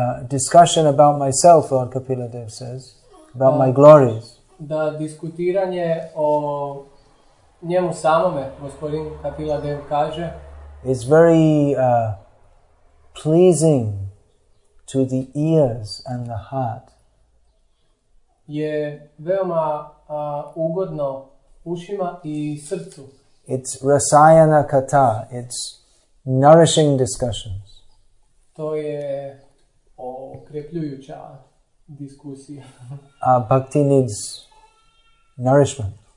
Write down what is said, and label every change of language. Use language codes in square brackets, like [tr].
[en] Discussion about myself, Lord Kapila Dev says, about my glories. [hr] Da diskutiranje o njemu samome, gospodin Kapila Dev kaže. [en] It's very pleasing to the ears and the heart. [hr] Je veoma ugodno ušima i srcu. [en] It's rasayana kata, it's nourishing discussions. [hr] To je okrepljujuća diskusija. [en] Bhakti needs nourishment.